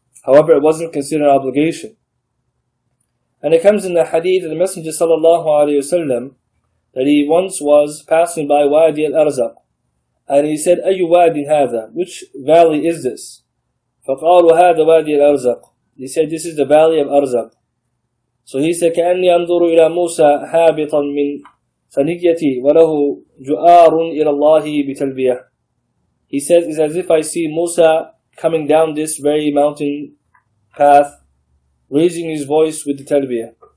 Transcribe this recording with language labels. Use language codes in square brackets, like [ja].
[en] However, it wasn't considered an obligation. And it comes in the hadith of the Messenger sallallahu alayhi wasallam that he once was passing by Wadi al-Arzaq. And he said, [ar] أَيُّ وَادٍ هَذَا? [en] Which valley is this? [ar] فَقَالُوا هَذَا وَادِي الْأَرْزَقُ. [en] He said, this is the valley of Arzaq. So he said, [ar] كَأَنِّي أَنْظُرُ إِلَى مُوسَى هَابِطًا مِّنْ فَنِيَّتِي وَلَهُ جُؤَارٌ إِلَى اللَّهِ بِتَلْبِيَةٍ. [en] He says, it's as if I see Musa coming down this very mountain path, raising his voice with the talbiyah.